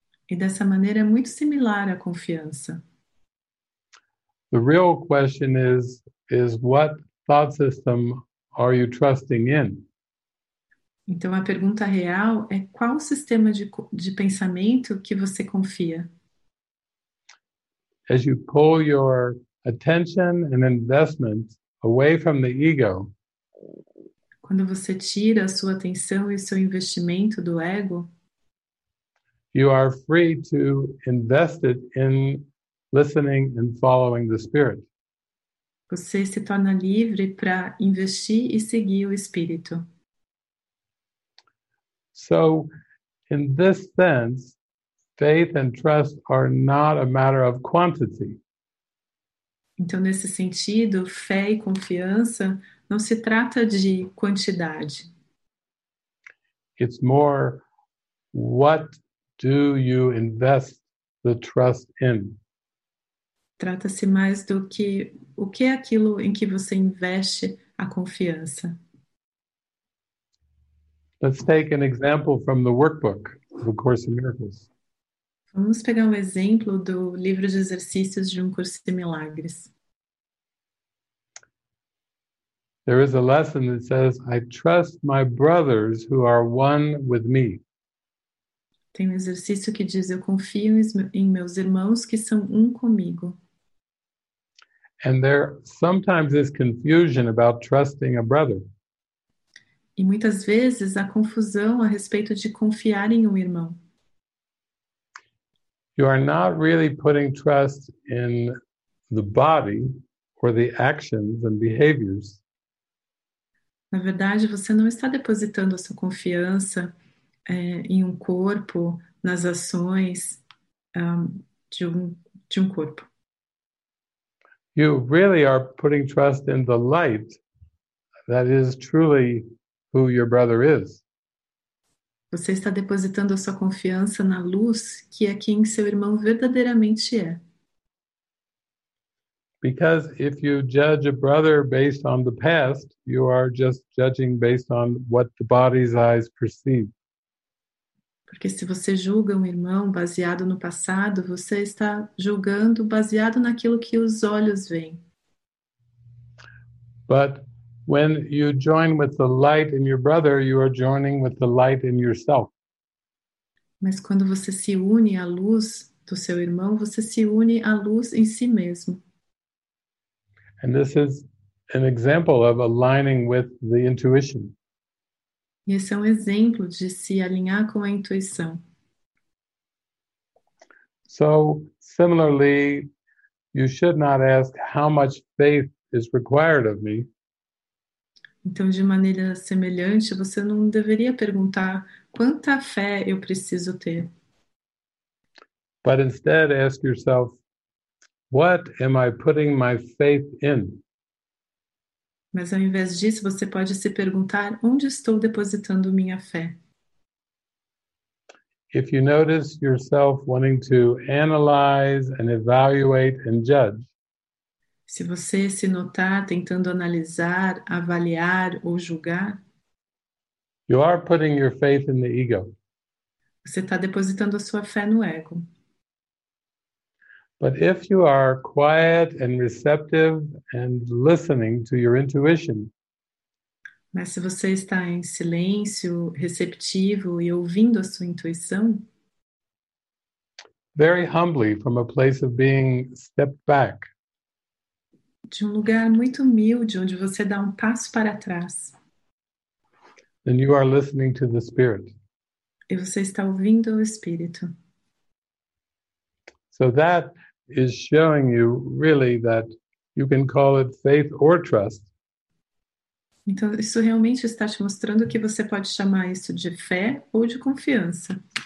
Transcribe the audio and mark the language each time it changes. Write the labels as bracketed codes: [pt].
[pt] E dessa maneira é muito similar à confiança. [en] The real question is what thought system are you trusting in? [pt] Então a pergunta real é qual sistema de pensamento que você confia? [en] As you pull your attention and investment away from the ego. [pt] Quando você tira a sua atenção e seu investimento do ego, [en] you are free to invest it in listening and following the spirit. [pt] Você se torna livre para investir e seguir o espírito. [en] So, in this sense, faith and trust are not a matter of quantity. [pt] Então, nesse sentido, fé e confiança não se trata de quantidade. [en] It's more, what do you invest the trust in? [pt] Trata-se mais do que o que é aquilo em que você investe a confiança. [en] Let's take an example from the workbook of A Course in Miracles. [pt] Vamos pegar um exemplo do livro de exercícios de Um Curso de Milagres. [en] There is a lesson that says, I trust my brothers who are one with me. [pt] Tem um exercício que diz, eu confio em meus irmãos que são um comigo. [en] And there sometimes is confusion about trusting a brother. [pt] E muitas vezes há confusão a respeito de confiar em um irmão. [en] You are not really putting trust in the body or the actions and behaviors. [pt] Na verdade, você não está depositando a sua confiança em um corpo, nas ações de um corpo. [en] You really are putting trust in the light that is truly who your brother is. [pt] Você está depositando a sua confiança na luz, que é quem seu irmão verdadeiramente é. [en] Because if you judge a brother based on the past, you are just judging based on what the body's eyes perceive. [pt] Porque se você julga um irmão baseado no passado, você está julgando baseado naquilo que os olhos veem. [en] But when you join with the light in your brother, you are joining with the light in yourself. [pt] Mas quando você se une à luz do seu irmão, você se une à luz em si mesmo. [en] And this is an example of aligning with the intuition. [pt] E esse é um exemplo de se alinhar com a intuição. [en] So, similarly, you should not ask how much faith is required of me. [pt] Então, de maneira semelhante, você não deveria perguntar quanta fé eu preciso ter. [en] But instead, ask yourself, what am I putting my faith in? [pt] Mas ao invés disso, você pode se perguntar onde estou depositando minha fé. [en] If you notice yourself wanting to analyze and evaluate and judge, [pt] se você se notar tentando analisar, avaliar ou julgar, [en] you are putting your faith in the ego. [pt] Você está depositando a sua fé no ego. [en] But if you are quiet and receptive and listening to your intuition, [pt] mas se você está em silêncio, receptivo e ouvindo a sua intuição, [en] very humbly from a place of being stepped back, [pt] de um lugar muito humilde, onde você dá um passo para trás. [en] Then you are listening to the spirit. [pt] E você está ouvindo o espírito. [en] So that is showing you really that you can call it faith or trust. [pt] Então isso realmente está te mostrando que você pode chamar isso de fé ou de confiança.